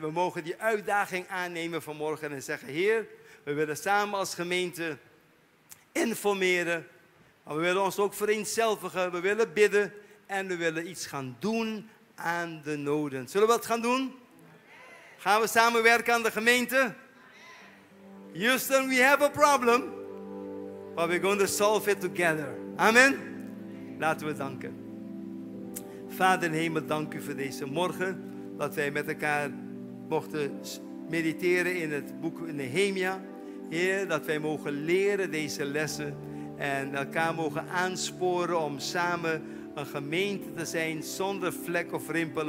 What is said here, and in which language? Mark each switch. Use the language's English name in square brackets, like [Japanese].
[Dutch] We mogen die uitdaging aannemen vanmorgen en zeggen, Heer, we willen samen als gemeente informeren. We willen ons ook vereenzelvigen, we willen bidden en we willen iets gaan doen aan de noden. Zullen we dat gaan doen? Gaan we samenwerken aan de gemeente? [English] Houston, we have a problem, but we're going to solve it together. [Dutch] Amen? Laten we danken. Vader in hemel, dank u voor deze morgen, dat wij met elkaar mochten mediteren in het boek Nehemia. Heer, dat wij mogen leren deze lessen. En elkaar mogen aansporen om samen een gemeente te zijn zonder vlek of rimpel.